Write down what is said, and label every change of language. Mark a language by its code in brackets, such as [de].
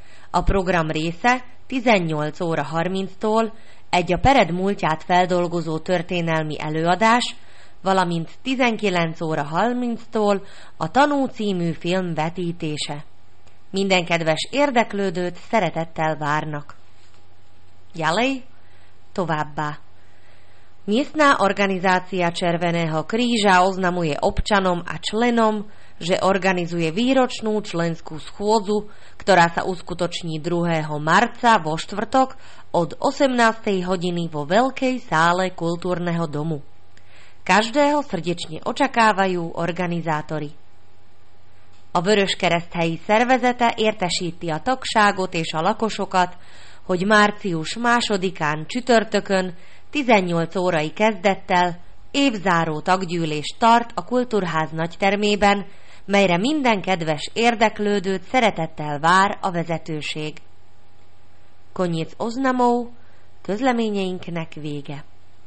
[hu] A program része 18 óra 30-tól egy a Pered múltját feldolgozó történelmi előadás, valamint 19 óra 30-tól a Tanú című film vetítése. Minden kedves érdeklődőt szeretettel várnak. [sk] Ďalej, [hu] továbbá. [sk] Miestna organizácia Červeného kríža oznamuje občanom a členom, že organizuje výročnú členskú schôdzu, ktorá sa uskutoční 2. marca vo štvrtok od 18. hodiny vo Veľkej sále kultúrneho domu. Každého srdečne očakávajú organizátori. [hu] A Vöröskereszthelyi szervezete értesíti a tagságot és a lakosokat, hogy március 2-án csütörtökön 18 órai kezdettel évzáró taggyűlés tart a Kultúrház nagytermében, melyre minden kedves érdeklődőt szeretettel vár a vezetőség. [sk] Konnyit oznamov, [hu] közleményeinknek vége.